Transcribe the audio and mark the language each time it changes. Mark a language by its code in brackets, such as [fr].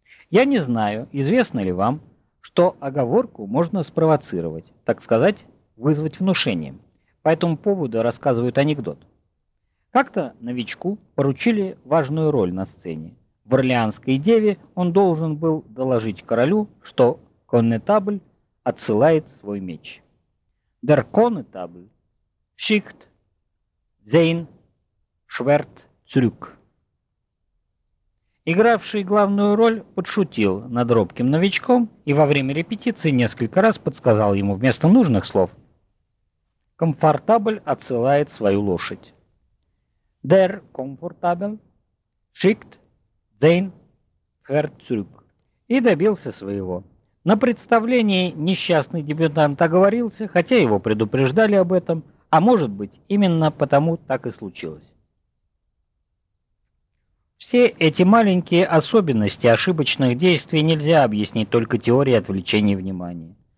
[ru] Я не знаю, известно ли вам, что оговорку можно спровоцировать, так сказать, вызвать внушением. По этому поводу рассказывают анекдот. Как-то новичку поручили важную роль на сцене. В Орлеанской деве он должен был доложить королю, что коннетабль отсылает свой меч. [de] Der Connetable schickt sein Schwert zurück. [ru] Игравший главную роль подшутил над робким новичком и во время репетиции несколько раз подсказал ему вместо нужных слов «Комфортабль отсылает свою лошадь». [de] Der Comfortable schickt sein Pferd zurück. [ru] И добился своего. На представлении несчастный дебютант оговорился, хотя его предупреждали об этом, а может быть, именно потому так и случилось. Все эти маленькие особенности ошибочных действий нельзя объяснить только теорией отвлечения внимания.